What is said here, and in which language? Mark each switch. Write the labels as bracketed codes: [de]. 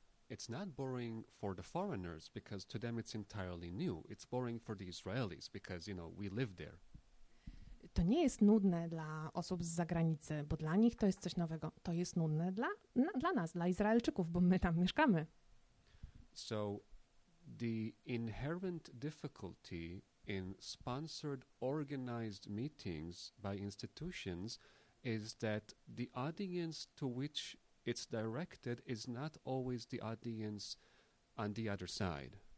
[en] It's not boring for the foreigners because to them it's entirely new. It's boring for the Israelis because, you know, we live there. [pl] To nie jest nudne dla osób z zagranicy, bo dla nich to jest coś nowego. To jest nudne dla nas, dla Izraelczyków, bo my tam mieszkamy. [en] So the inherent difficulty in sponsored organized meetings by institutions is that the audience to which it's directed is not always the audience on the other side.